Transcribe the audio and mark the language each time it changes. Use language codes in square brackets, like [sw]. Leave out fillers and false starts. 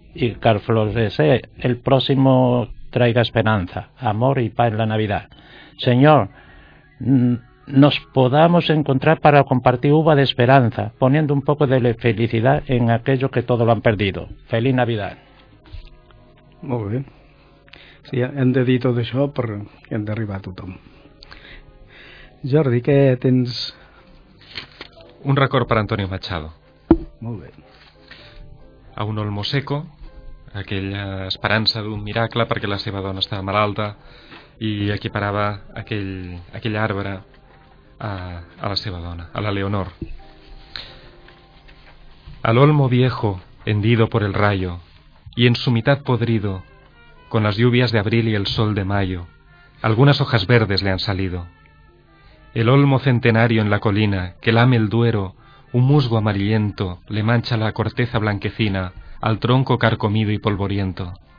[es] Y que al florecer el próximo traiga esperanza, amor y paz en la Navidad. Señor, nos podamos encontrar para compartir uva de esperanza, poniendo un poco de felicidad en aquellos que todo lo han perdido. ¡Feliz Navidad! [ca] Molt bé. Sí, hem de dir tot això perquè hem d'arribar a tothom. Jordi, què tens? Un record per Antonio Machado. Molt bé. A un olmo seco, aquella esperança d'un miracle perquè la seva dona estava malalta i equiparava aquell arbre a la seva dona, a la Leonor. [es] Al olmo viejo, hendido por el rayo, y en su mitad podrido, con las lluvias de abril y el sol de mayo, algunas hojas verdes le han salido. El olmo centenario en la colina, que lame el Duero, un musgo amarillento le mancha la corteza blanquecina al tronco carcomido y polvoriento.